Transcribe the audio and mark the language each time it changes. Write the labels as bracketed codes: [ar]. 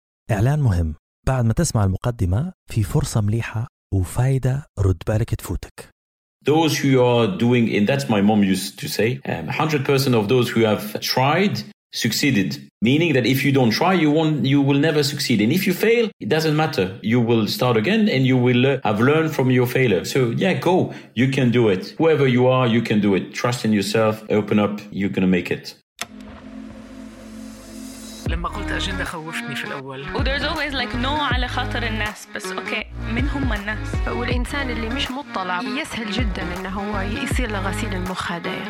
[ar] إعلان مهم، بعد ما تسمع المقدمة في فرصة مليحة وفايدة رد بالك تفوتك. [en] Those who are doing, and that's my mom used to say, 100% of those who have tried succeeded. Meaning that if you don't try, you will never succeed. And if you fail, it doesn't matter. You will start again and you will have learned from your failure. So yeah, go. You can do it. Whoever you are, you can do it. Trust in yourself. Open up. You're going to make it. [ar] لما قلت أجندة خوفتني في الأول. [en] Oh, there's always like no [ar] على خطر الناس. بس أوكي منهم الناس. والإنسان اللي مش مطلع يسهل جدا إنه هو يصير لغسيل المخ هذا.